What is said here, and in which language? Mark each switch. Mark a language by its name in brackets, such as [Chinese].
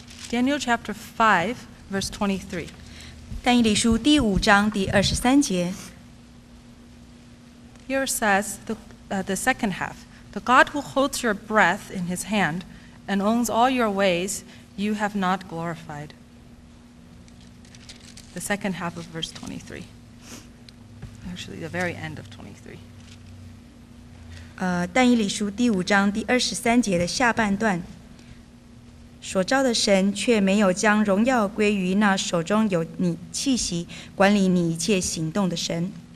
[English] Daniel chapter 5, verse 23. [Chinese] 但以理书第五章第二十三节。 [English] Here says the second half. The God who holds your breath in his hand and owns all your ways, you have not glorified. The second half of verse 23. Actually, the very end of 23. [Chinese] 但以理书第五章第二十三节的下半段。所造的神却没有将荣耀归于那手中有你气息管理你一切行动的神。